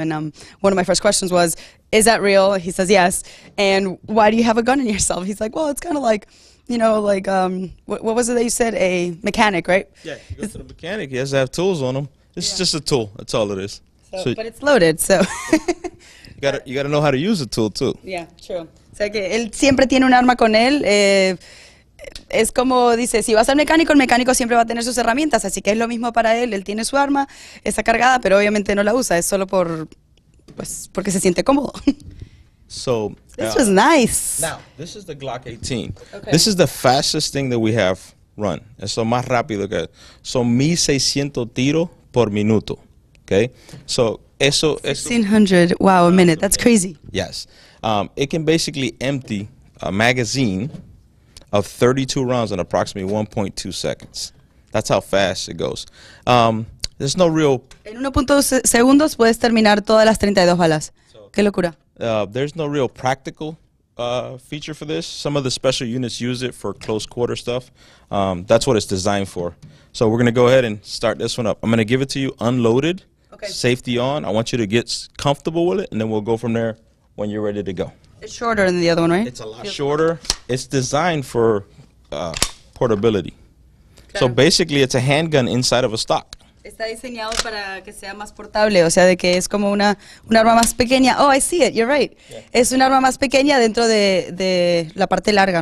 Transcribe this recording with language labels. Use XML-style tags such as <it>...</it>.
<en>And one of my first questions was, is that real? He says, yes. And why do you have a gun in yourself? He's like, well, it's kind of like, you know, like, what was it that you said? A mechanic, right? Yeah, he goes to the mechanic. He has to have tools on him. It's just a tool. That's all it is. So, but it's loaded, so. you got to know how to use a tool, too. Yeah, true.</en> <es>O sea, que él siempre tiene un arma con él. Es como dice, si vas al mecánico, el mecánico siempre va a tener sus herramientas. Así que es lo mismo para él. Él tiene su arma, está cargada, pero obviamente no la usa. Es solo por, pues, porque se siente cómodo.</es> <en>So this was nice. Now, this is the Glock 18. Okay. This is the fastest thing that we have run.</en> <es>Eso más rápido que son 1,600 tiros por minuto.</es> <en>Okay? So, eso 1,600, wow, a minute. That's crazy. Yes. It can basically empty a magazine of 32 rounds in approximately 1.2 seconds. That's how fast it goes. There's no real</en> <es>En 1.2 segundos puedes terminar todas las 32 balas. Qué locura.</es> <en>There's no real practical feature for this. Some of the special units use it for close quarter stuff. That's what it's designed for. So we're going to go ahead and start this one up. I'm going to give it to you unloaded, okay. Safety on. I want you to get comfortable with it, and then we'll go from there when you're ready to go. It's shorter than the other one, right? It's a lot shorter. It's designed for portability. Okay. So basically, it's a handgun inside of a stock.</en> <es>Está diseñado para que sea más portable, o sea, de que es como una arma más pequeña.</es> <en>Oh, I see it. You're right. Yeah.</en> <es>Es una arma más pequeña dentro de la parte larga.</es>